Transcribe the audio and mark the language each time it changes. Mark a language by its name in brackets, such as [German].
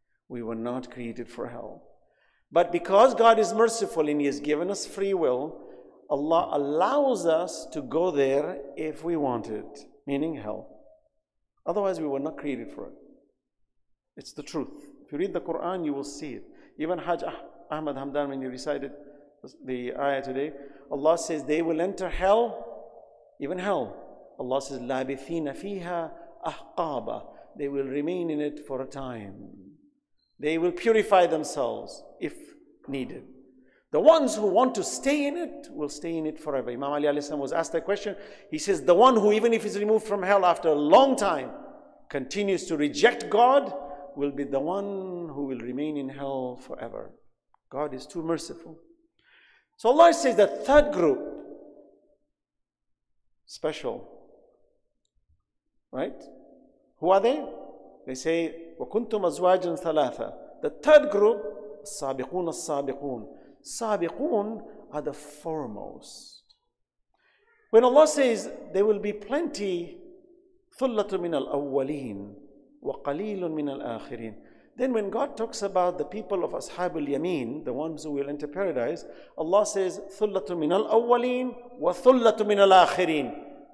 [English] We were not created for hell. But because God is merciful and He has given us free will, Allah allows us to go there if we want it, meaning hell. Otherwise, we were not created for it. It's the truth. If you read the Quran, you will see it. Even Hajj Ahmad Hamdan, when he recited the ayah today, Allah says they will enter hell, even hell. Allah says, [Arabic] لَابِثِينَ فِيهَا أَحْقَابًا. [English] They will remain in it for a time. They will purify themselves if needed. The ones who want to stay in it will stay in it forever. Imam Ali alayhi salam was asked that question. He says, the one who, even if he's removed from hell after a long time, continues to reject God, will be the one who will remain in hell forever. God is too merciful. So Allah says the third group, special, right? Who are they? They say, [Arabic] وَكُنْتُمْ أَزْوَاجًا ثَلَاثًا. [English] The third group, [Arabic] السَّابِقُونَ السَّابِقُونَ. [English] Sabiqun are the foremost. When Allah says there will be plenty, [Arabic] ثُلَّةٌ مِنَ الْأَوَّلِينَ وَقَلِيلٌ مِنَ الْآخِرِينَ. [English] Then when God talks about the people of Ashab al-Yameen, the ones who will enter paradise, Allah says, [Arabic] ثُلَّةٌ مِنَ الْأَوَّلِينَ وَثُلَّةٌ مِنَ الْآخِرِينَ.